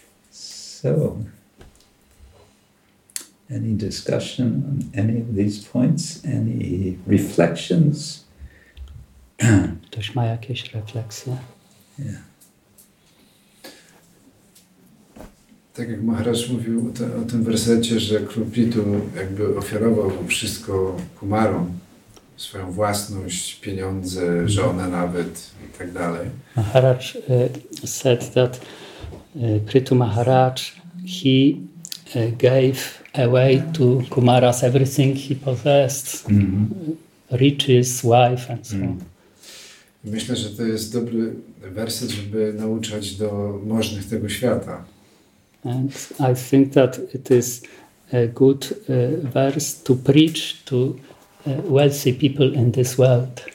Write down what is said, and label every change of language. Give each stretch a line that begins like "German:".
English: So, any discussion on any of these points? Any reflections?
Polish: Ktoś ma jakieś refleksje?
English: Yeah.
Polish: Tak jak Maharaj mówił o tym wersecie, że król Pitu jakby ofiarował wszystko Kumarom, swoją własność, pieniądze, żonę nawet i tak dalej.
English: Maharaj said that Prithu Maharaj, he gave away to Kumaras everything he possessed, riches, wife and so on.
Polish: Myślę, że to jest dobry werset, żeby nauczać do możnych tego świata.
English: And I think that it is a good verse to preach to wealthy people in this world.